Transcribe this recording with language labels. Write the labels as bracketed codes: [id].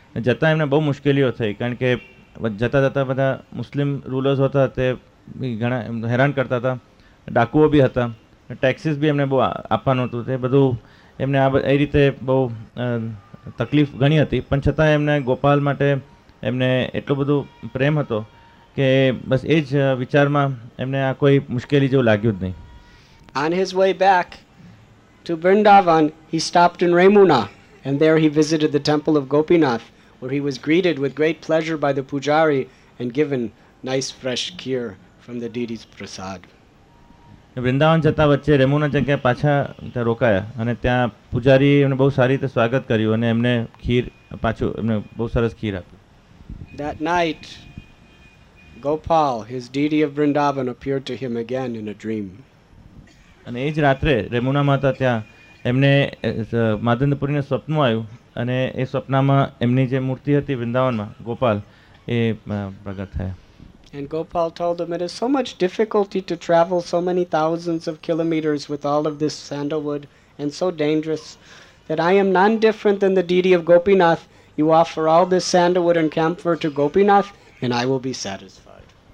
[gu] જતા એમને બહુ મુશ્કેલીઓ થઈ, કારણ કે જતા જતા બધા મુસ્લિમ રૂલર્સ હતા તે ઘણા હેરાન કરતા હતા, ડાકુઓ બી હતા, ટેક્સીસ બી એમને બહુ આપવાનું હતું, તે બધું એમને એ રીતે બહુ તકલીફ ઘણી હતી, પણ છતાં એમને ગોપાલ માટે એમને એટલો બધો પ્રેમ હતો કે બસ એ જ વિચારમાં એમને આ કોઈ મુશ્કેલી જેવું લાગ્યું જ નહીં. [en] On his way back to Vrindavan, he stopped in Remuna and there he visited the temple of Gopinath, where he was greeted with great pleasure by the pujari and given nice fresh kheer from the deity's prasad. [gu] Vrindavan જતા વચ્ચે રેમુના જગ્યા પાછા ત્યાં રોકાયા અને ત્યાં પૂજારી એમને બહુ સારી રીતે સ્વાગત કર્યું અને એમને ખીર પાછું એમને બહુ સરસ ખીર આપ્યું. [en] That night, Gopal, his deity of Vrindavan, appeared to him again in a dream. [gu] અને એ જ રાત્રે રેમુના માતા ત્યાં એમને માધવેન્દ્રપુરીને સ્વપ્ન આવ્યું અને એ સ્વપ્નમાં એમની જે મૂર્તિ હતી વૃંદાવનમાં ગોપાલ એ પ્રગટ થયા. [en] And Gopal told them, it is so much difficulty to travel so many thousands of kilometers with all of this sandalwood and so dangerous that I am none different than the deity of Gopinath. You offer all this sandalwood and camphor to Gopinath and I will be satisfied.